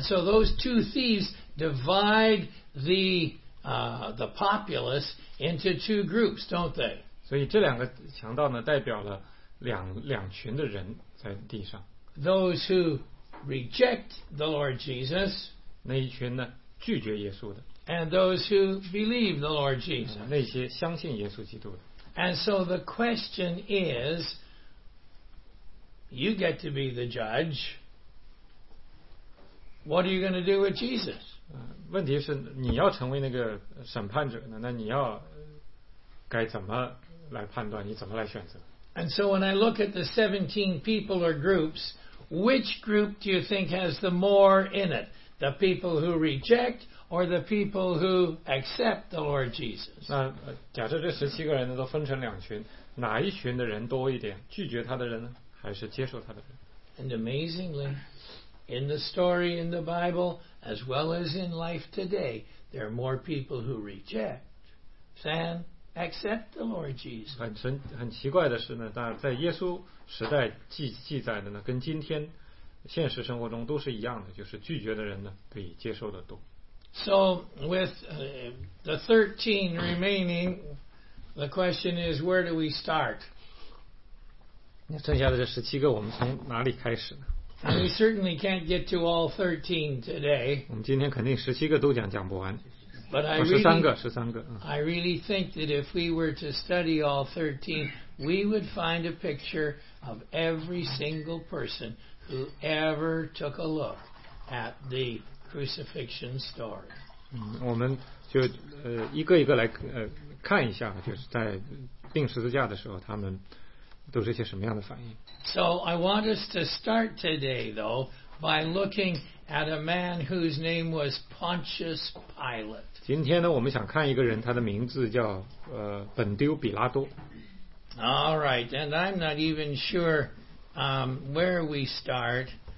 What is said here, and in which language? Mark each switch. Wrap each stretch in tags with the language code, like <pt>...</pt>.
<en>And so those two thieves divide the populace into two groups, don't they?</en> <zh>所以这两个强盗呢代表了两群的人在地上。</zh> <en>Those who reject the Lord Jesus,</en> <zh>那一群呢拒绝耶稣的。</zh> <en>And those who believe the Lord Jesus,</en> <zh>那些相信耶稣基督的。</zh> <en>And so the question is,You get to be the judge. What are you going to do with Jesus?</en> <zh>问题是你要成为那个审判者呢？那你要该怎么来判断？你怎么来选择？</zh> <en>And so when I look at the 17 people or groups, which group do you think has the more in it? The people who reject or the people who accept the Lord Jesus?</en> <zh>那假设这17个人呢都分成两群，哪一群的人多一点？拒绝他的人呢？</zh> <en>And amazingly, in the story in the Bible, as well as in life today, there are more people who reject than accept the Lord Jesus.</en> <zh>很奇怪的是呢，但在耶稣时代记载的呢，跟今天现实生活中都是一样的，就是拒绝的人呢比接受的多。</zh> <en>So with the 13 remaining, the question is, where do we start?</en> <zh>剩下的这十七个，我们从哪里开始呢</zh> <en>？We certainly can't get to all 13 today.</en> <zh>我们今天肯定十七个都讲不完。</zh> <en>But I really,</en> <zh>十三个。</zh> <en>I really think that if we were to study all 13, we would find a picture of every single person who ever took a look at the crucifixion story.</en> <zh>我们就一个一个来看一下，就是在钉十字架的时候，他们。都是些什么样的反应</zh> <en>So I want us to start today though by looking at a man whose name was Pontius Pilate.</en> <zh>今天呢我们想看一个人他的名字叫本丢比拉多。</zh> <en>All right, and I'm not even sure where we start.</en>